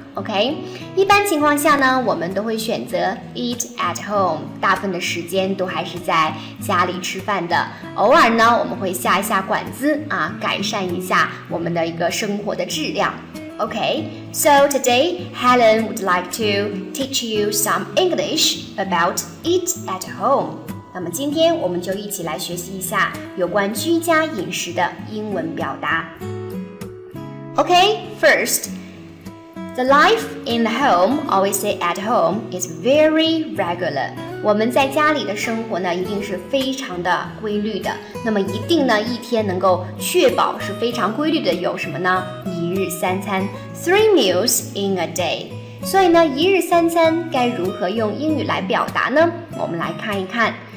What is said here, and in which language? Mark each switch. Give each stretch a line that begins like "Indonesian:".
Chinese: OK, 一般情况下呢，我们都会选择
English: eat at home,
Chinese: 大部分的时间都还是在家里吃饭的，偶尔呢我们会下一下馆子啊，改善一下我们的一个生活的质量。
English: OK, so today Helen would like to teach you some English about eat at home.
Chinese: 那么今天我们就一起来学习一下有关居家饮食的英文表达。
English: OK, first, the life in the home, always say at home, is very regular.
Chinese: 我们在家里的生活呢，一定是非常的规律的。那么一定呢，一天能够确保是非常规律的有什么呢？一日三餐
English: ,three meals in a day.
Chinese: 所以呢，一日三餐该如何用英语来表达呢？我们来看一看。